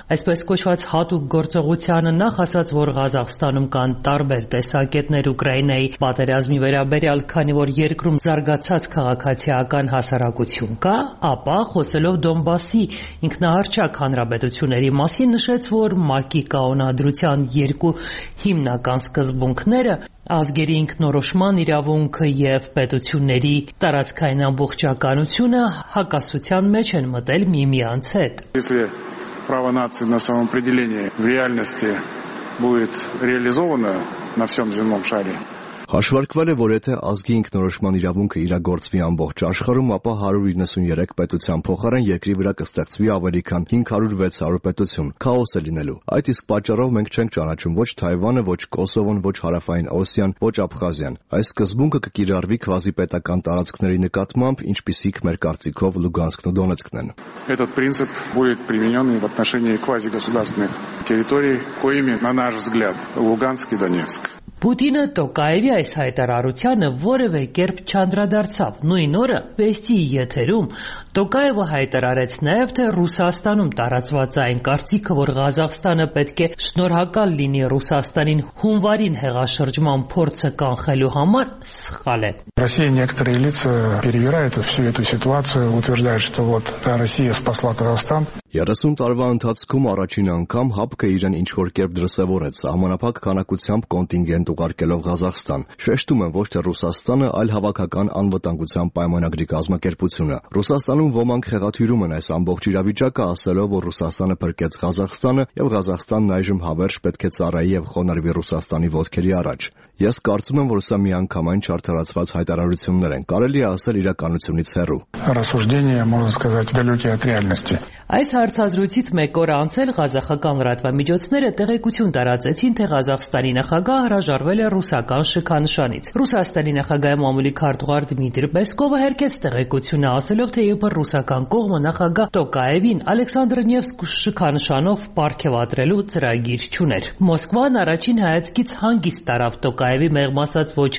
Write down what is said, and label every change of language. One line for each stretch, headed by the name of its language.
Armenian: այսպես կոչված հատուկ գործողությանը, նախ ասաց, որ Ղազախստանում կան տարբեր տեսակետներ Ուկրաինայի պատերազմի վերաբերյալ, քանի որ երկրում զարգացած քաղաքացիական հասարակություն կա, ապա խոսելով Դոնբասի ինքնահարչակ հանրապետությունների մասին նշեց, որ ՄԱԿ-ի կանոնադրության երկու հիմնական սկզբունքները ազգերի ինքնորոշման իրավունքը և պետությունների տարածքային ամբողջականությունը հակասության մեջ են մտել միմյանց հետ։ Եթե
Russian: право нации на самоопределение в реальности будет реализовано на всём земном шаре,
Armenian: Հաշվարկվել է, որ եթե ազգի ինքնորոշման իրավունքը իրագործվի ամբողջ աշխարհում, ապա 193 պետության փոխարեն երկրի վրա կստեղծվի ավելի քան 500-600 պետություն, քաոս է լինելու։ Այդ իսկ պատճառով մենք չենք ճանաչում ոչ Թայվանը, ոչ Կոսովոն, ոչ Հարավային Օսիան, ոչ Աբխազիան։ Այս սկզբունքը կկիրառվի քվազիպետական տարածքների նկատմամբ, ինչպիսիք մեր կարծիքով Լուգանսկն ու Դոնեցկն են։
Russian: Этот принцип будет применён в отношении квазигосударственных территорий, коими, на наш взгляд, Луганск и Донецк.
Armenian: Պուտինը Տոկաևի այս հայտարարությանը որևէ կերպ չանդրադարձավ։ Նույն օրը Վեստի եթերում Տոկաևը հայտարարեց նաև, թե Ռուսաստանում տարածված այն կարծիքը, որ Ղազախստանը պետք է շնորհակալ լինի Ռուսաստանին հունվարին հեղաշրջման փորձը կանխելու համար, սխալ է։
Russian: Россия некоторые лица переверяют всю эту ситуацию, утверждают, что вот Россия спасла Казахстан.
Armenian: 30 տարվա ընթացքում առաջին անգամ ՀԱՊԿ-ը իրեն ինչ-որ կերպ դրսևորեց համանապակ քանակությամբ կոնտինգենտ ուղարկելով Ղազախստան։ Շեշտում են ոչ թե Ռուսաստանը, այլ հավաքական անվտանգության պայմանագրի կազմակերպությունը։ Ռուսաստանում ոմանք խեղաթյուրում են այս ամբողջ իրավիճակը, ասելով, որ Ռուսաստանը փրկեց Ղազախստանը եւ Ղազախստանն այժմ հավերժ պետք է ծառայի եւ խոնարհվի Ռուսաստանի ոտքերի առաջ։ Ես կարծում եմ, որ սա միանգամայն չարդարացված հայտարարություններ են, կարելի է ասել իրականությունից հեռու։
Russian: Рассуждения, можно сказать, далёкие от реальности.
Armenian: Այս հարցազրույցից մեկ օր անցել ղազախական լրատվամիջոցները տեղեկություն տարածեցին, թե Ղազախստանի նախագահը հրաժարվել է ռուսական շքանշանից։ Ռուսաստանի նախագահի մամուլի քարտուղար Դմիտրի Պեսկովը հերքեց տեղեկությունը, ասելով, թե եթե ռուսական կողմը նախագահ Տոկաևին Ալեքսանդր Նևսկու շքանշանով պարգևատրելու ծրագիր չուներ։ Մոսկվան առաջին հայացքից հանգիստ տարավ Տոկաևի մեղմասած ոչ